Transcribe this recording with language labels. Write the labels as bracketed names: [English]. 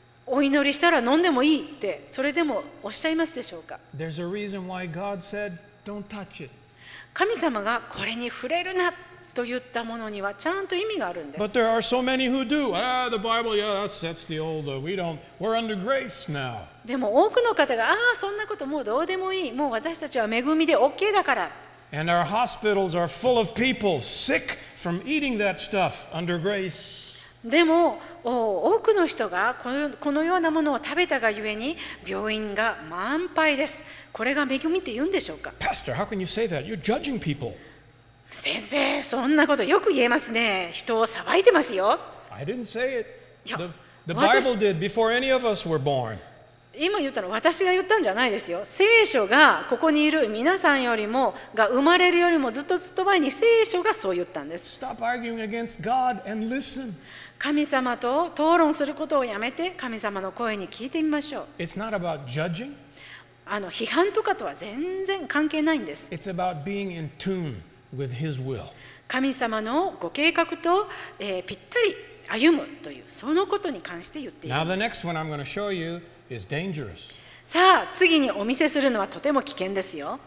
[Japanese] お祈りしたら飲んでもいいってそれでもおっしゃいますでしょうか。 [English] There's a reason why God said, don't touch it. [Japanese] 神様がこれに触れるなと言ったものにはちゃんと意味があるんです。 [English] But there are so many who do. The Bible, yeah, that sets the old. We don't. We're under grace now. [Japanese] でも多くの方がそんなこともうどうでもいい。もう私たちは恵みで OK だから。 [English] And our hospitals are full of people sick from eating that stuff under grace. [Japanese] でも多くの人がこのようなものを食べたがゆえに病院が満杯です。これが恵みって言うんでしょうか。 [English] Pastor, how can you say that? You're judging people. [Japanese] 先生、そんなことよく言えますね。人を裁いてますよ。 [English] I didn't say it. The Bible did before any of us were born. [Japanese] 今言ったの私が言ったんじゃないですよ。聖書がここにいる皆さんよりもが生まれるよりもずっとずっと前に聖書がそう言ったんです。 [English] Stop arguing against God and listen. [Japanese] 神様と討論することをやめて神様の声に聞いてみましょう。 [English] It's not about judging. [Japanese] 批判とかとは全然関係ないんです。 [English] It's about being in tune. With his will. [Japanese] 神様のご計画と、ぴったり歩むというそのことに関して言っています。 [English] Now the next one I'm going to show you is dangerous. [Japanese] さあ次にお見せするのはとても危険ですよ。